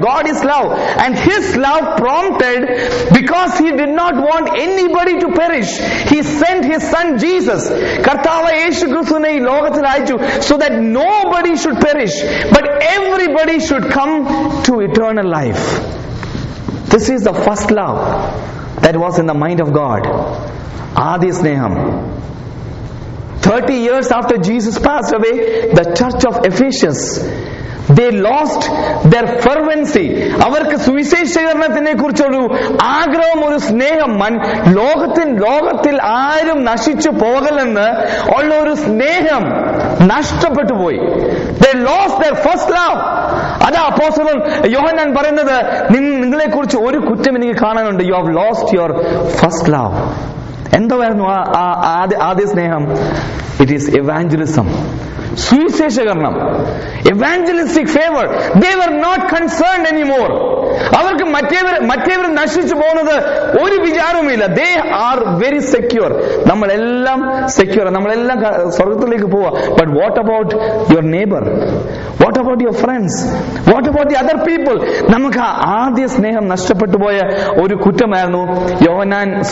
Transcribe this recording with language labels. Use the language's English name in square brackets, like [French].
[English] God is love and his love prompted because he did not want anybody to perish, he sent his son Jesus. [Malayalam] കർത്താവ് യേശു ക്രിസ്തുവിനെ ഈ ലോകത്തിൽ അയച്ചു [English] So that nobody should perish but everybody should come to eternal life. This is the first love that was in the mind of God. Adi Sneham. 30 years after Jesus passed away, the church of Ephesus, they lost their fervency. [Malayalam] അവർക്ക് സുവിശേഷീകരണത്തിനെ കുറിച്ചൊരു ആഗ്രഹം, ഒരു സ്നേഹം, ലോകത്തിൽ ആരും നശിച്ചു പോകലെന്ന് ഉള്ള ഒരു സ്നേഹം നഷ്ടപ്പെട്ടു പോയി. [English] They lost their first love. [Malayalam] അത് അപ്പോസ്തലൻ യോഹന്നാൻ പറയുന്നത്, നിങ്ങളെ കുറിച്ച് ഒരു കുറ്റം എനിക്ക് കാണാനുണ്ട്. [English] You have lost your first love. [Malayalam] എന്തോവായിരുന്നു ആദ്യ സ്നേഹം? [English] It is evangelism. സുവിശേഷകരണം, evangelistic favor. They were not concerned anymore. [Malayalam] അവർക്ക് മറ്റേവർ നശിച്ചു പോകുന്നത് ഒരു വിചാരവുമില്ല. [English] They are very secure. [Malayalam] നമ്മളെല്ലാം secure, നമ്മളെല്ലാം സ്വർഗത്തിലേക്ക് പോവുക. [English] But what about your neighbor? What about your friends? What about the other people? [Malayalam] നമുക്ക് ആദ്യ സ്നേഹം നഷ്ടപ്പെട്ടു പോയ ഒരു കുറ്റമായിരുന്നു യോഹന്നാൻ.